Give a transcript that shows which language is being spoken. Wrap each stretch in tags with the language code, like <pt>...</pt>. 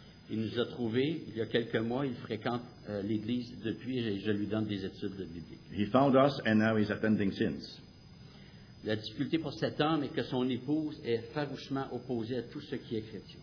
<fr>Il nous a trouvé il y a quelques mois. Il fréquente l'église depuis et je lui donne des études de Bible.</fr> <en>He found us and now he's attending since.</en> <fr>La difficulté pour cet homme est que son épouse est farouchement opposée à tout ce qui est chrétien.</fr>